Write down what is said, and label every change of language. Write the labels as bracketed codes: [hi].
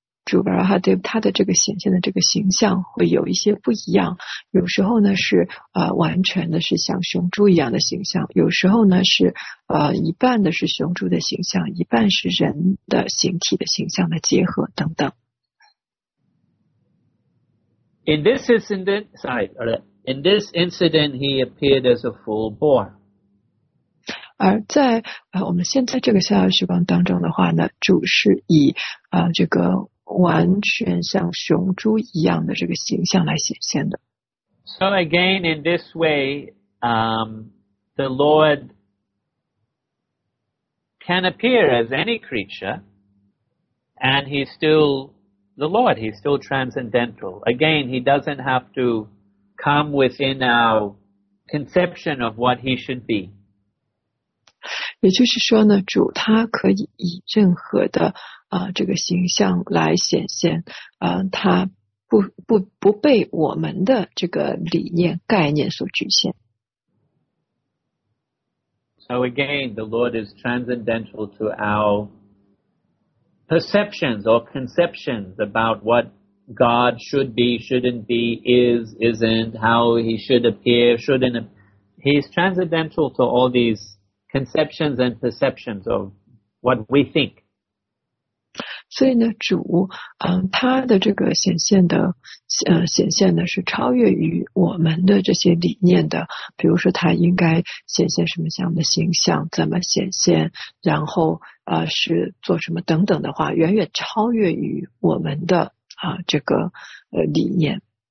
[zh] 主巴拉哈德他的这个显现的这个形象会有一些不一样有时候呢是完全的是像雄猪一样的形象有时候呢是一半的是雄猪的形象一半是人的形体的形象的结合等等 [en] In this incident he appeared as a full boar [zh] 而在我们现在这个逍遥时光当中的话呢主是以这个完全像雄猪一样的这个形象来显现的。 [en] So again, in this way, the Lord can appear as any creature, and he's still the Lord, he's still transcendental. Again, he doesn't have to come within our conception of what he should be. [zh] 也就是说呢主他可以以任何的这个形象来显现他不被我们的这个理念概念所局限。 [en] So again, the Lord is transcendental to our perceptions or conceptions about what God should be, shouldn't be, is, isn't, how he should appear, shouldn't. He's transcendental to all these conceptions and perceptions of what we think. [zh] 所以呢主他的这个显现呢是超越于我们的这些理念的比如说他应该显现什么样的形象怎么显现然后是做什么等等的话远远超越于我们的这个理念。